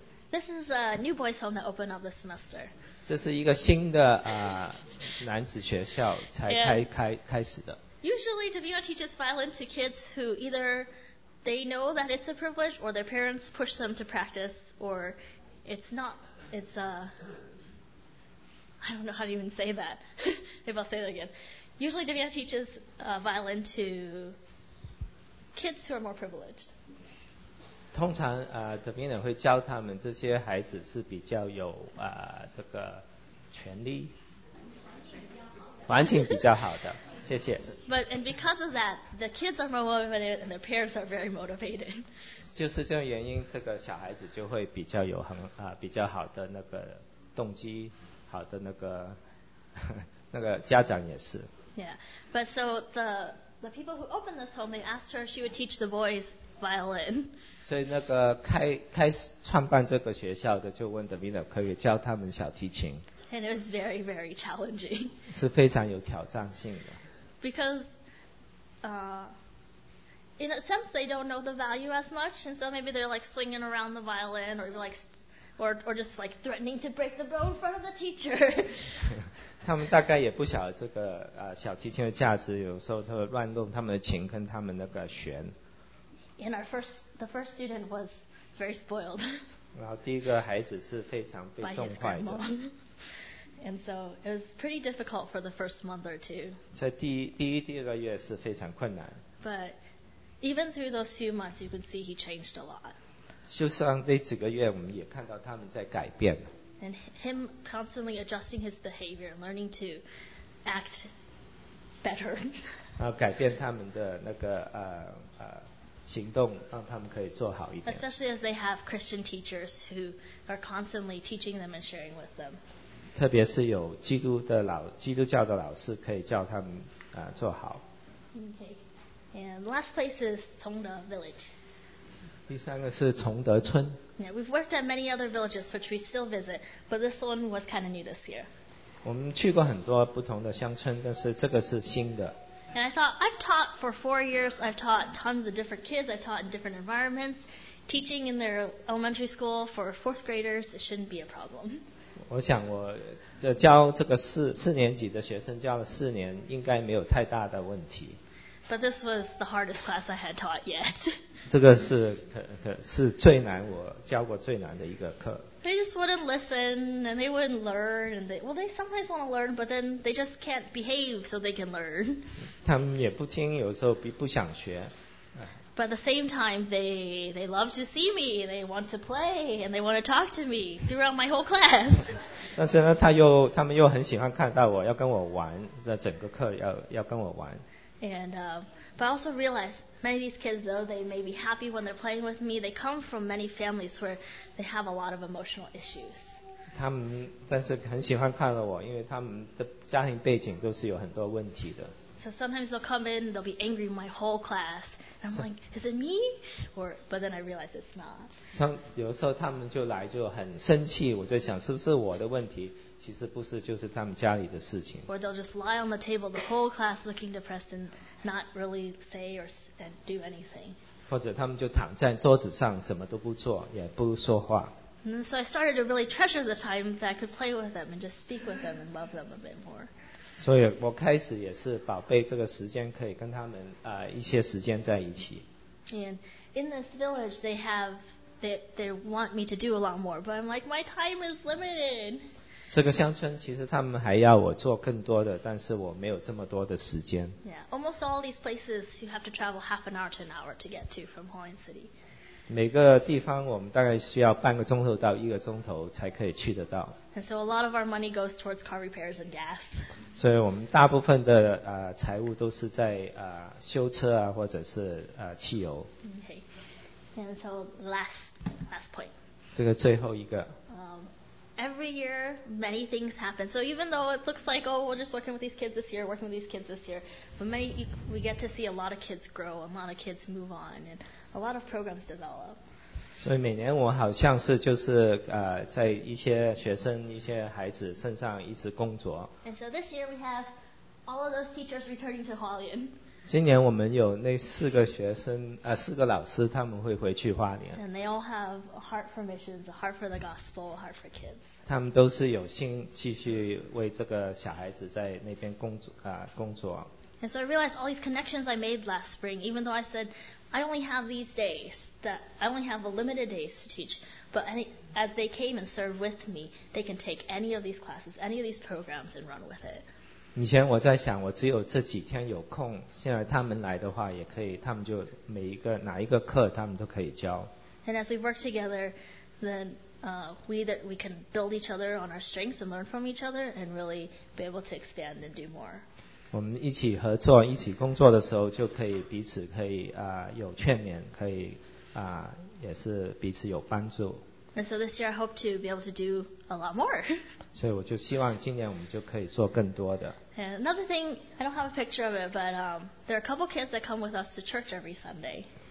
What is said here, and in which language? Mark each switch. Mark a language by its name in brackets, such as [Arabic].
[English] This is a new boys' home that opened up this semester. [Chinese] 这是一个新的男子学校才开始的。 [English] Usually, Davina teaches violin to kids who either they know that it's a privilege or their parents push them to practice or it's not. It's a. I don't know how to even say that. Maybe I'll say that again. Usually, Davina teaches violin to kids who are more privileged. [Chinese] 通常Davina会教他们这些孩子是比较有这个权利，环境比较好的。谢谢。 [English] But and because of that, the kids are more motivated and their parents are very motivated. [Chinese] 就是这种原因，这个小孩子就会比较有比较好的那个动机，好的那个那个家长也是。 [English] Yeah, but so the people who opened this home, they asked her if she would teach the boys violin. [Chinese] 所以那个开始创办这个学校的就问 Davina 可以教他们小提琴。 [English] And it was very, very challenging. [Chinese] 是非常有挑战性的。 [English] Because, in a sense, they don't know the value as much, and so maybe they're like swinging around the violin, or like, or just like threatening to break the bow in front of the teacher. [Chinese] 他们大概也不晓得这个小提琴的价值，有时候他们乱弄他们的琴跟他们那个弦。 [English] And the first student was very spoiled. [Chinese] 然后第一个孩子是非常被宠坏的。 [English] And so it was pretty difficult for the first month or two. [Chinese] 在第二个月是非常困难。 [English] But even through those few months, you can see he changed a lot. [Chinese] 就算这几个月，我们也看到他们在改变。 [English] And him constantly adjusting his behavior and learning to act better. [Chinese] 然后改变他们的那个行动，让他们可以做好一点。 [English] Especially as they have Christian teachers who are constantly teaching them and sharing with them. [Chinese] 特别是有基督教的老师可以教他们做好。 [English] Okay. And last place is 崇德 village. [Chinese] 第三个是崇德村。 [English] Yeah, we've worked at many other villages which we still visit, but this one was kind of new this year. [Chinese] 我们去过很多不同的乡村，但是这个是新的。 [English] And I thought, I've taught for 4 years, I've taught tons of different kids, I've taught in different environments, teaching in their elementary school for fourth graders, it shouldn't be a problem. [Chinese] 我想我教这个四年级的学生教了四年，应该没有太大的问题。 [English] But this was the hardest class I had taught yet. [Chinese] 这个是是最难我教过最难的一个课。 [English] They just wouldn't listen and they wouldn't learn and they sometimes want to learn but then they just can't behave so they can learn. [Chinese] 他们也不听，有时候不想学。 [English] But at the same time, they love to see me, they want to play, and they want to talk to me throughout my whole class. [Chinese] 但是呢，他们又很喜欢看到我，要跟我玩，在整个课要跟我玩。 [English] And but I also realize many of these kids, though they may be happy when they're playing with me, they come from many families where they have a lot of emotional issues. [Chinese] 他们但是很喜欢看到我，因为他们的家庭背景都是有很多问题的。 [English] So sometimes they'll come in, they'll be angry with my whole class. And I'm like, is it me? But then I realize it's not. [Chinese] 有时候他们就来就很生气，我在想是不是我的问题，其实不是，就是他们家里的事情。 [English] Or they'll just lie on the table, the whole class looking depressed and not really say or do anything. [Chinese] 或者他们就躺在桌子上什么都不做，也不说话。 [English] And so I started to really treasure the time that I could play with them and just speak with them and love them a bit more. [Chinese] 所以我开始也是宝贝这个时间可以跟他们一些时间在一起。 [English] And in this village, they want me to do a lot more, but I'm like, my time is limited. [Chinese] 这个乡村其实他们还要我做更多的，但是我没有这么多的时间。 [English] Yeah, almost all these places you have to travel half an hour to an hour to get to from Hoyin City. [Chinese] 每个地方我们大概需要半个钟头到一个钟头才可以去得到。 [English] And so a lot of our money goes towards car repairs and gas. [Chinese] 所以我们大部分的财务都是在修车啊，或者是汽油。 [English] Okay. And so last point. [Chinese] 这个最后一个。 [English] Every year, many things happen. So even though it looks like, oh, we're just working with these kids this year, working with these kids this year, but we get to see a lot of kids grow, a lot of kids move on, and a lot of programs develop. [Chinese] 所以每年我好像是就是在一些学生、一些孩子身上一直工作。 [English] And so this year we have all of those teachers returning to Hualien. [Chinese] 今年我们有那四个学生四个老师他们会回去花莲。 [English] And they all have a heart for missions, a heart for the gospel, a heart for kids. [Chinese] 他们都是有心继续为这个小孩子在那边工作。 [English] And so I realized all these connections I made last spring, even though I said I only have these days, that I only have a limited days to teach, but as they came and served with me, they can take any of these classes, any of these programs and run with it. [Chinese] 以前我在想我只有这几天有空，现在他们来的话也可以，他们就每一个哪一个课他们都可以教。 [English] And as we work together, then we can build each other on our strengths and learn from each other and really be able to expand and do more. [Chinese] 我们一起合作一起工作的时候就可以彼此可以有劝勉可以也是彼此有帮助。 [English] And so this year I hope to be able to do a lot more. [Chinese] 所以我就希望今年我们就可以做更多的。 [English] And another thing, I don't have a picture of it, but there are a couple kids that come with us to church every Sunday.